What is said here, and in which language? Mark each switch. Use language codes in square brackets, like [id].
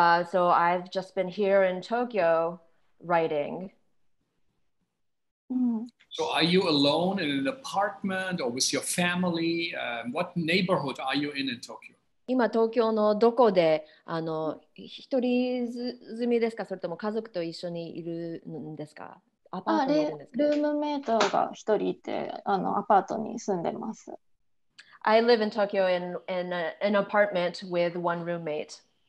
[en] So I've just been here in Tokyo writing. So are you alone in an apartment or with your family? What neighborhood are you in Tokyo? [ja] 今東京のどこで一人住みですか、それとも家族と一緒にいるんですか、アパートにいるんですか？ルームメイトが一人いて、アパートに住んでます。 [en] I live in Tokyo in an apartment with one roommate.